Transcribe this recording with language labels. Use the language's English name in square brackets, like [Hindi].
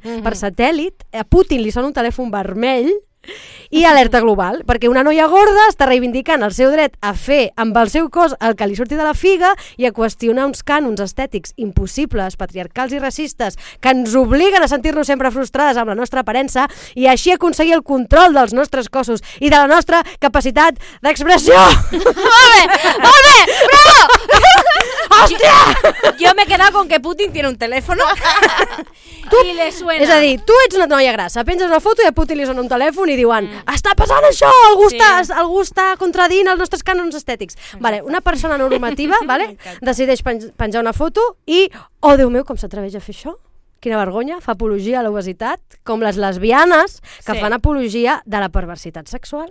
[Catalan] Per satèl·lit, a Putin li sona un telèfon vermell i alerta global, perquè una noia gorda està reivindicant el seu dret a fer amb el seu cos el que li surti de la figa i a qüestionar uns cànons estètics impossibles, patriarcals i racistes que ens obliguen a sentir-nos sempre frustrades amb la nostra aparença i així aconseguir el control dels nostres cossos i de la nostra capacitat d'expressió. Molt bé, bravo! [Spanish] Yo me he quedado con que Putin tiene un teléfono y le suena. [Catalan] És a dir, tu ets una noia grassa, penses una foto i a Putin li sona un telèfon i diuen està passant això, algú està contradint els nostres cànons estètics. Vale, una persona normativa decideix penjar una foto i, oh Déu meu, com s'atreveix a fer això? Quina vergonya, fa apologia a l'obesitat, com les lesbianes que fan apologia de la perversitat sexual.